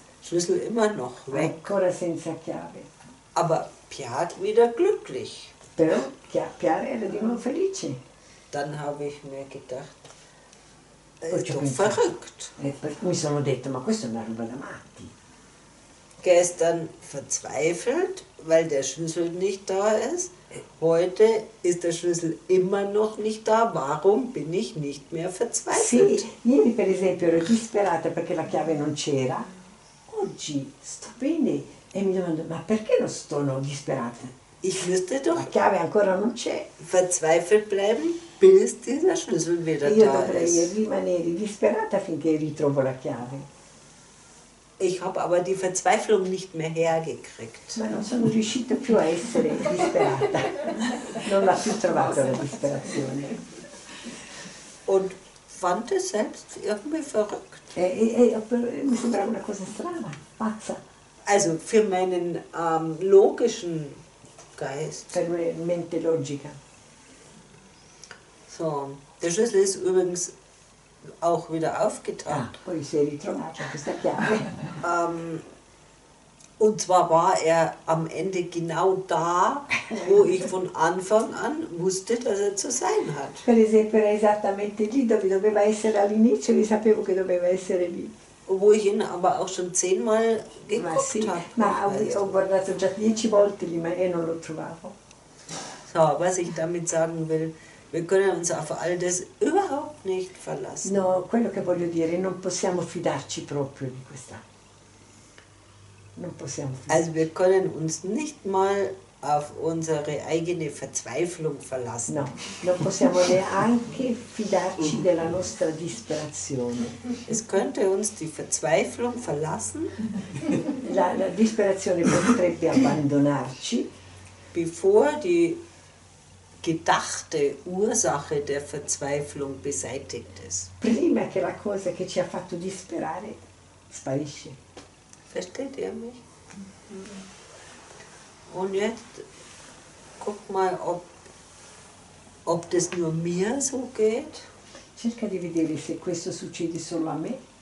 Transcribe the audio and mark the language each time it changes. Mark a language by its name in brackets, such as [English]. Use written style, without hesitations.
[German] Schlüssel immer noch weg. [Italian] Ancora senza chiave. [German] Aber Piat wieder glücklich. [Italian] Però Piat era di nuovo felice. [German] Dann habe ich mir gedacht, verrückt. [Italian] Mi sono detto, ma questo è una roba da matti. [German] Gestern verzweifelt, weil der Schlüssel nicht da ist. Heute ist der Schlüssel immer noch nicht da. Warum bin ich nicht mehr verzweifelt? [Italian] Sì, ieri per esempio ero disperata perché la chiave non c'era. Oggi sto bene e mi domando, ma perché non sono disperata? [German] Ich müsste doch [Italian] la chiave ancora non c'è. [German] Verzweifelt bleiben, bis dieser Schlüssel wieder [Italian] io [German] da ist. [Italian] Io dovrei rimanere disperata finché ritrovo la chiave. [German] Ich habe aber die Verzweiflung nicht mehr hergekriegt. [Italian] Ma non sono riuscita più a essere disperata. Non l'ha più trovato la disperazione. [German] Und fand es selbst irgendwie verrückt. [Italian] Mi sembrava una cosa strana, pazza. [German] Also für meinen logischen Geist. [Italian] Per mente logica. [German] So, der Schlüssel ist übrigens auch wieder aufgetaucht. [Italian] Ah, poi si è ritrovato, questa chiave. [German] Und zwar war er am Ende genau da, wo ich von Anfang an wusste, dass er zu sein hat. [Italian] Per esempio, era esattamente lì, dove doveva essere all'inizio, io sapevo che doveva essere lì. [German] Wo ich ihn aber auch schon 10-mal geguckt habe. [Italian] Ma sì, ma ho guardato già 10 volte lì, ma io non lo trovavo. [German] So, was ich damit sagen will, wir können uns auf all das überhaupt nicht verlassen. [Italian] No, quello che voglio dire, non possiamo fidarci proprio di questa. Non possiamo fidarci. [German] Also wir können uns nicht mal auf unsere eigene Verzweiflung verlassen. [Italian] No, non possiamo neanche fidarci della nostra disperazione. [German] Es könnte uns die Verzweiflung verlassen. [Italian] La disperazione potrebbe abbandonarci. [German] Bevor die gedachte Ursache der Verzweiflung beseitigt ist. [Italian] Prima che la cosa che ci ha fatto disperare sparisce. [German] Versteht ihr mich? Und jetzt guck mal, ob das nur mir so geht. [Italian] Cerca di vedere se questo succede solo a me.